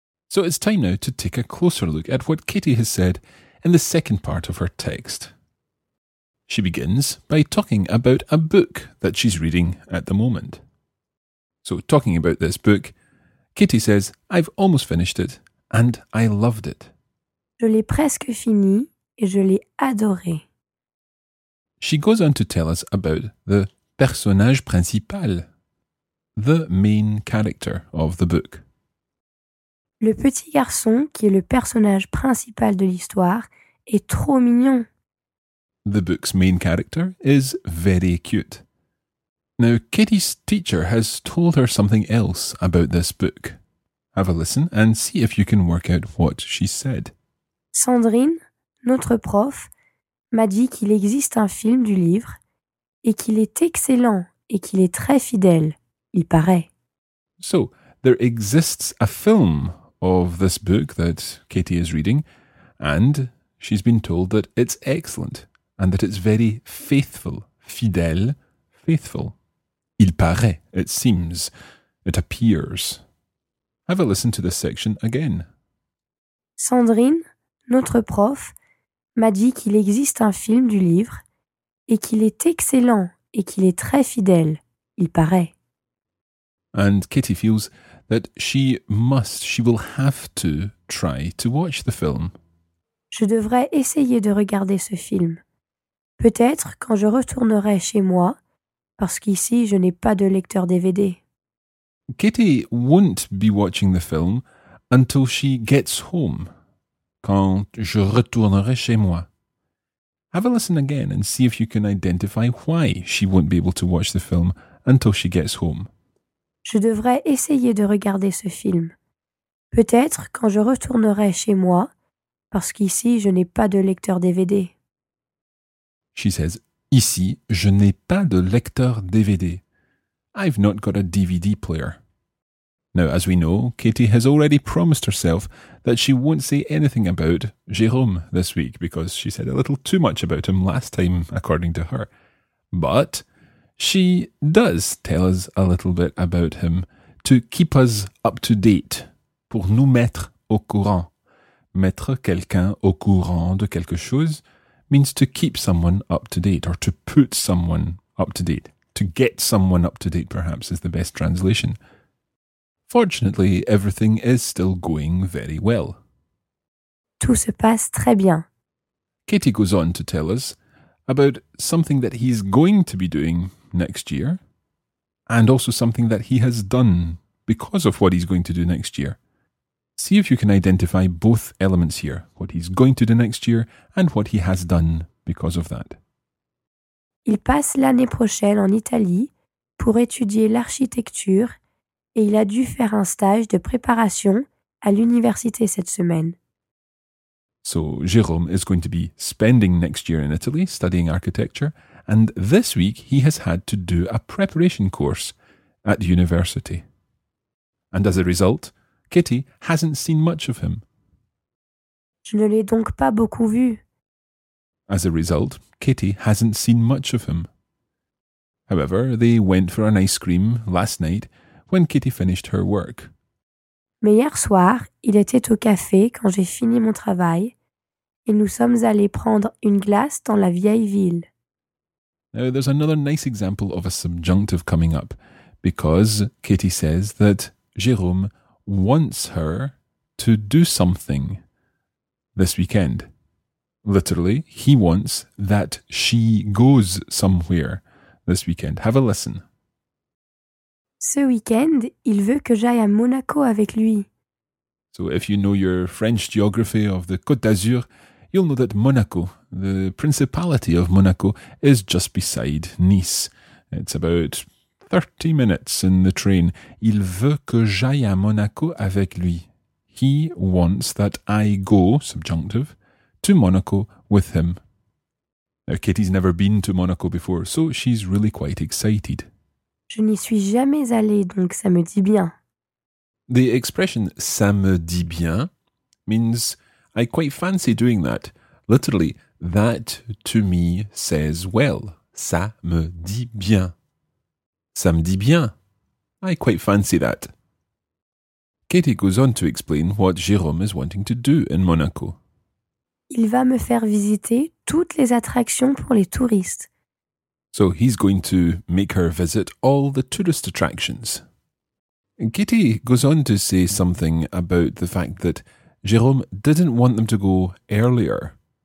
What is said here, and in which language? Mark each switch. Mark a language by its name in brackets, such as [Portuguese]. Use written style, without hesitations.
[English] So it's time now to take a closer look at what Katie has said in the second part of her text. She begins by talking about a book that she's reading at the moment. So talking about this book, Katie says, I've almost finished it and I loved it. [French] Je l'ai presque fini et je l'ai adoré. [English] She goes on to tell us about the [French] personnage principal, [English] the main character of the book. [French] Le petit garçon qui est le personnage principal de l'histoire est trop mignon. [English] The book's main character is very cute. Now, Katie's teacher has told her something else about this book. Have a listen and see if you can work out what she said. [French] Sandrine, notre prof, m'a dit qu'il existe un film du livre et qu'il est excellent et qu'il est très fidèle, il paraît. [English] So, there exists a film of this book that Katie is reading, and she's been told that it's excellent, and that it's very faithful, fidèle, faithful. [French] Il paraît, [English] it seems, it appears. Have a listen to this section again. [French] Sandrine, notre prof, m'a dit qu'il existe un film du livre, et qu'il est excellent, et qu'il est très fidèle, il paraît. [English] And Katie feels that she will have to try to watch the film. [French] Je devrais essayer de regarder ce film. Peut-être quand je retournerai chez moi, parce qu'ici je n'ai pas de lecteur DVD. [English] Katie won't be watching the film until she gets home, [French] quand je retournerai chez moi. [English] Have a listen again and see if you can identify why she won't be able to watch the film until she gets home. [French] Je devrais essayer de regarder ce film. Peut-être quand je retournerai chez moi, parce qu'ici je n'ai pas de lecteur DVD. [English] She says, [French] ici je n'ai pas de lecteur DVD. [English] I've not got a DVD player. Now, as we know, Katie has already promised herself that she won't say anything about Jérôme this week because she said a little too much about him last time, according to her. But she does tell us a little bit about him to keep us up to date, [French] pour nous mettre au courant. Mettre quelqu'un au courant de quelque chose [English] means to keep someone up to date or to put someone up to date. To get someone up to date, perhaps, is the best translation. Fortunately, everything is still going very well. [French] Tout se passe très bien. [English] Katie goes on to tell us about something that he's going to be doing next year, and also something that he has done because of what he's going to do next year. See if you can identify both elements here, what he's going to do next year and what he has done because of that. [French] Il passe l'année prochaine en Italie pour étudier l'architecture et il a dû faire un stage de préparation à l'université cette semaine. [English] So, Jérôme is going to be spending next year in Italy studying architecture. And this week he has had to do a preparation course at university. And as a result, Kitty hasn't seen much of him. [French] Je ne l'ai donc pas beaucoup vu. [English] As a result, Kitty hasn't seen much of him. However, they went for an ice cream last night when Kitty finished her work. [French] Mais hier soir, il était au café quand j'ai fini mon travail et nous sommes allés prendre une glace dans la vieille ville. [English] Now, there's another nice example of a subjunctive coming up because Kitty says that Jérôme wants her to do something this weekend. Literally, he wants that she goes somewhere this weekend. Have a listen. [French] Ce weekend, il veut que j'aille à Monaco avec lui. [English] So if you know your French geography of the Côte d'Azur, you'll know that Monaco, the principality of Monaco, is just beside Nice. It's about 30 minutes in the train. [French] Il veut que j'aille à Monaco avec lui. [English] He wants that I go, subjunctive, to Monaco with him. Now, Kitty's never been to Monaco before, so she's really quite excited. [French] Je n'y suis jamais allée, donc ça me dit bien. [English] The expression [French] ça me dit bien [English] means I quite fancy doing that. Literally, that to me says well. [French] Ça me dit bien. Ça me dit bien. [English] I quite fancy that. Kitty goes on to explain what Jérôme is wanting to do in Monaco. [French] Il va me faire visiter toutes les attractions pour les touristes. [English] So he's going to make her visit all the tourist attractions. And Kitty goes on to say something about the fact that Jérôme didn't want them to go earlier.